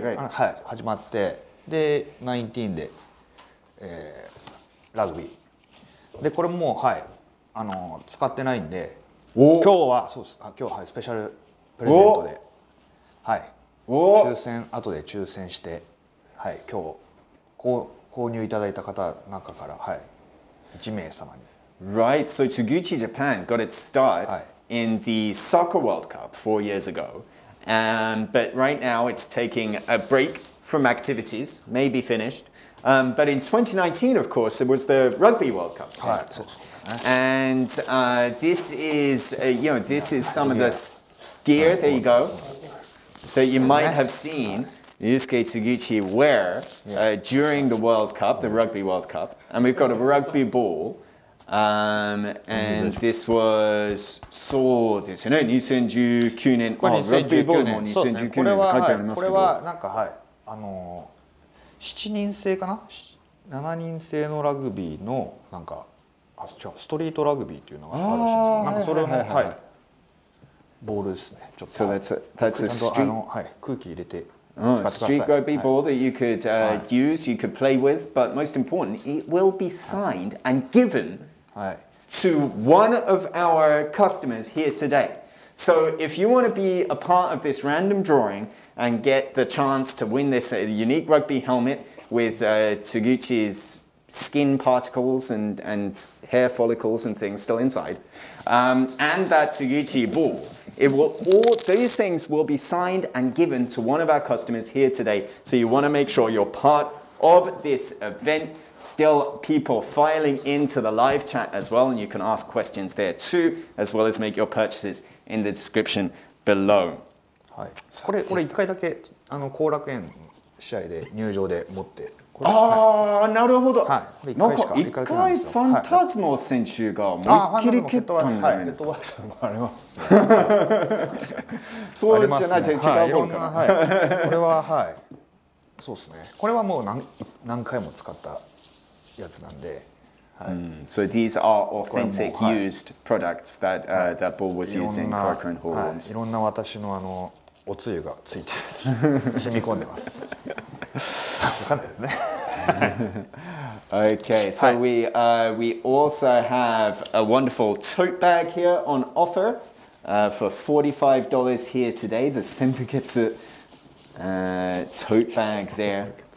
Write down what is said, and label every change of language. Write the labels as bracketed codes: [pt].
[ja] はい、始まって、で19で、ラグビーで、これもう、はい、使ってないんで、今日はそうす、あ今日はい、スペシャルプレゼントで、はい、抽選、後で抽選して、はい、今日購入いただいた方の中から、はい、1名様に。 [en] Right, so Taguchi Japan got its start、はい、in the Soccer World Cup 4 years ago、but right now it's taking a break from activities, maybe finished、but in 2019 of course it was the Rugby World Cup、 [ja] はい、そうそう、 [en] and this is you know, this is some of the gear, there you go, that you might have seen Ryusuke Taguchi wear during the World Cup, the Rugby World Cup, and we've got a rugby ball, and this was so this, you know, 2019年、 oh, rugby ball も [ja] 2019年って書いてありますけど、これはなんか、はい、7人制かな、7人制のラグビーのなんか、あ、違う、ストリートラグビーっていうのがあるらしいんですけど、なんかそれも、はい、ボールですね、ちょっと、 [en] so that's a street... [ja] はい、空気入れて、 [en] street rugby ball that you could、use, you could play with, but most important, it will be signed and given、 [ja] はい、 [en] to one of our customers here today. So if you want to be a part of this random drawing and get the chance to win this unique rugby helmet with Taguchi's skin particles and hair follicles and things still inside, and that Taguchi ball, it will all these things will be signed and given to one of our customers here today. So you want to make sure you're part of this event. Still people filing into the live chat as well, and you can ask questions there too, as well as make your purchases in the description below. [ja] はい、これ1回だけ後楽園試合で入場で持って、あー、はい、なるほど、はい、なんか一回ファンタズモ選手が思いっきり蹴ったんじゃないですか、はい、あれはそうじゃない、違うもんかな、はい、これは、はい、そうですね、これはもう 何回も使ったやつなんで、はい、 [en] So these are authentic used products that,、that ball was used in Corcoran Hall Wars、 [ja] はい、いろんな私のおつゆがついて染み込んでます [en] Okay, so、はい、we also have a wonderful tote bag here on offer for $45 here today, the Senpukitsu tote bag there.